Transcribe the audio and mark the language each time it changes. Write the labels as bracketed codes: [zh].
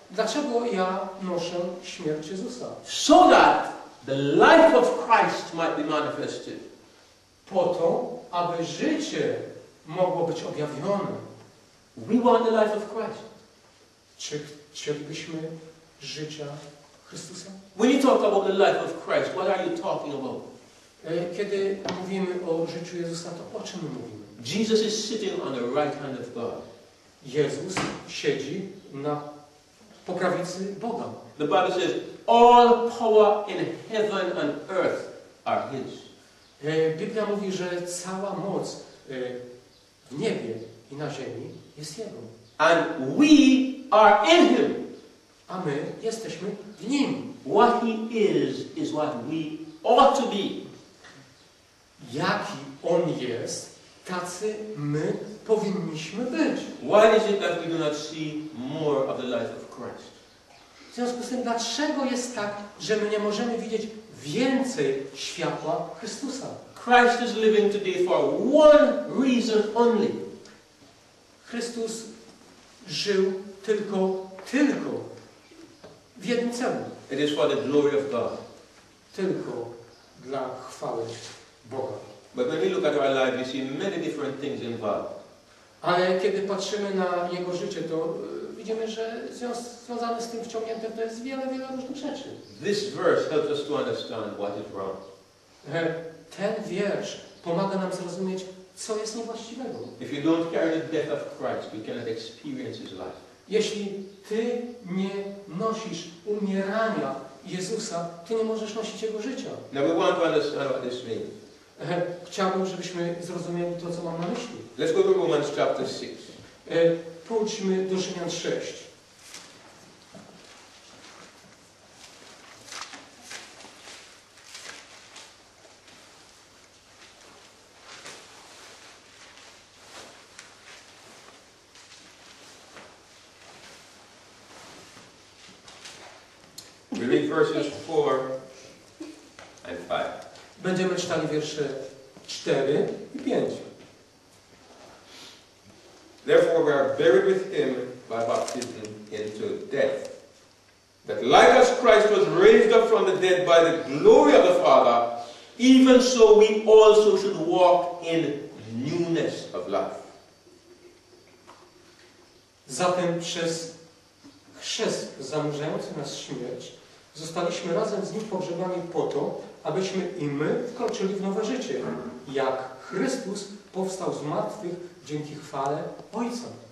[pl] Dlaczego ja noszę śmierć Jezusa? [en] So that the life of Christ might be manifested. [pl] Po to, aby życie mogło być objawione. [en] We want the life of Christ. [pl] Czy chcielibyśmy życia Chrystusa? [en] When you talk about the life of Christ, what are you talking about? [pl] Kiedy mówimy o życiu Jezusa, to o czym mówimy? [en] Jesus is sitting on the right hand of God. [pl] Jezus siedzi na po prawicy Boga. [en] The Bible says, all power in heaven and earth are His. [pl] Biblia mówi, że cała moc w niebie i na ziemi jest Jego. [en] And we are in Him. [pl] A my jesteśmy w Nim. [en] What He is what we ought to be. [pl] Jaki On jest, tacy my powinniśmy być. [en] Why is it that we do not see more of the life of Christ? [pl] W związku z tym, dlaczego jest tak, że my nie możemy widzieć więcej światła Chrystusa? [en] Christ is living today for one reason only. [pl] Chrystus żył tylko w jednym celu. [en] It is for the glory of God. [pl] Tylko dla chwały Boga. [en] But when we look at our life, we see many different things involved. [pl] Ale kiedy patrzymy na Jego życie, to widzimy, że związane z tym wciągnięte to jest wiele, wiele różnych rzeczy. [en] This verse helps us to understand what is wrong. [pl] Ten wiersz pomaga nam zrozumieć, co jest niewłaściwego. [en] If you don't carry the death of Christ, you cannot experience His life. [pl] Jeśli ty nie nosisz umierania Jezusa, ty nie możesz nosić Jego życia. [en] Now we want to understand what this means. [pl] Chciałbym, żebyśmy zrozumieli to, co mam na myśli. [en] Let's go to Romans chapter 6. [pl] Pójdźmy do Rzymian 6. Będziemy czytali wiersze 4 i 5. [en] Therefore we are buried with him by baptism into death, that like as Christ was raised up from the dead by the glory of the Father, even so we also should walk in newness of life. [pl] Zatem przez chrzest zamrzający nas śmierć zostaliśmy razem z nim pogrzebani po to, abyśmy i my wkroczyli w nowe życie, jak Chrystus powstał z martwych dzięki chwale Ojca.